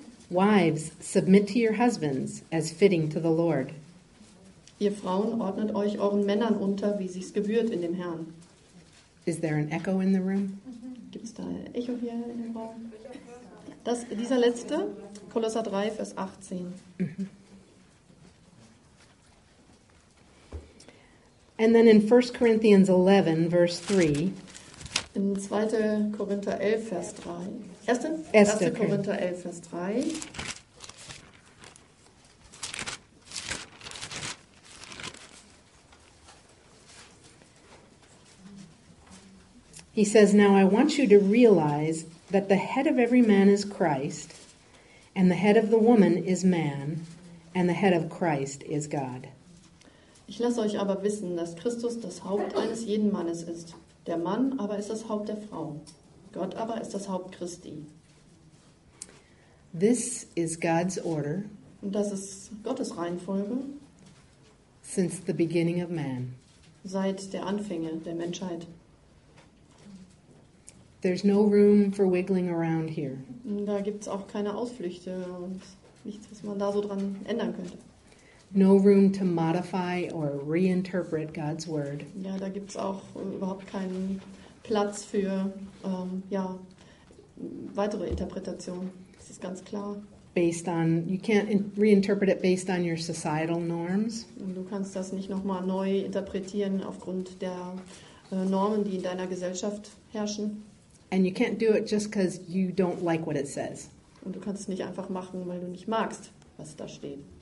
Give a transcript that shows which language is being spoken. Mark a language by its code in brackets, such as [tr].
[en] Wives, submit to your husbands as fitting to the Lord. [de] Ihr Frauen, ordnet euch euren Männern unter, wie sich's gebührt in dem Herrn. [en] Is there an echo in the room? [de] Gibt's da ein Echo hier in dem Raum? Das, dieser letzte, Kolosser 3, Vers 18. [en] And then in 1 Corinthians 11, verse 3. [de] In 2. Korinther 11, Vers 3. 1. Korinther 11, Vers 3. [en] He says, now I want you to realize that the head of every man is Christ, and the head of the woman is man, and the head of Christ is God. [de] Ich lasse euch aber wissen, dass Christus das Haupt eines jeden Mannes ist. Der Mann aber ist das Haupt der Frau. Gott aber ist das Haupt Christi. [en] This is God's order. [de] Und das ist Gottes Reihenfolge. [en] Since the beginning of man. [de] Seit der Anfänge der Menschheit. [en] There's no room for wiggling around here. [de] Da gibt's auch keine Ausflüchte und nichts, was man da so dran ändern könnte. [en] No room to modify or reinterpret God's word. [de] Ja, da gibt's auch überhaupt keinen Platz für weitere Interpretation. Das ist ganz klar. [en] Based on, you can't reinterpret it based on your societal norms. [de] Und du kannst das nicht nochmal neu interpretieren aufgrund der Normen, die in deiner Gesellschaft herrschen. [en] And you can't do it just because you don't like what it says. [de] Und du kannst es nicht einfach machen, weil du nicht magst, was da steht.